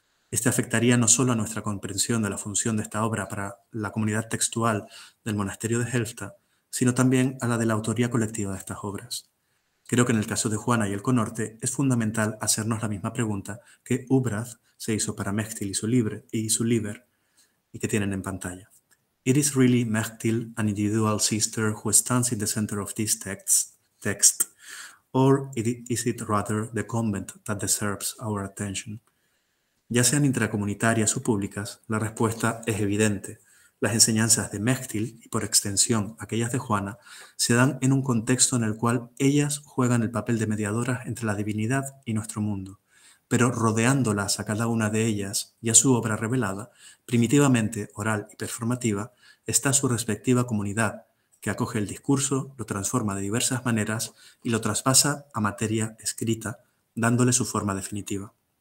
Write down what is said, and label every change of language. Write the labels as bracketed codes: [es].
[es] Este afectaría no solo a nuestra comprensión de la función de esta obra para la comunidad textual del monasterio de Helfta, sino también a la de la autoría colectiva de estas obras. Creo que en el caso de Juana y el Conorte es fundamental hacernos la misma pregunta que Ubrath se hizo para Mechthild y su Liber. y que tienen en pantalla. [en] It is really Mechtil, an individual sister who stands in the center of this text, or is it rather the convent that deserves our attention? [es] Ya sean intracomunitarias o públicas, la respuesta es evidente. Las enseñanzas de Mechtil, y por extensión aquellas de Juana, se dan en un contexto en el cual ellas juegan el papel de mediadoras entre la divinidad y nuestro mundo. Pero rodeándolas a cada una de ellas y a su obra revelada, primitivamente oral y performativa, está su respectiva comunidad, que acoge el discurso, lo transforma de diversas maneras y lo traspasa a materia escrita, dándole su forma definitiva.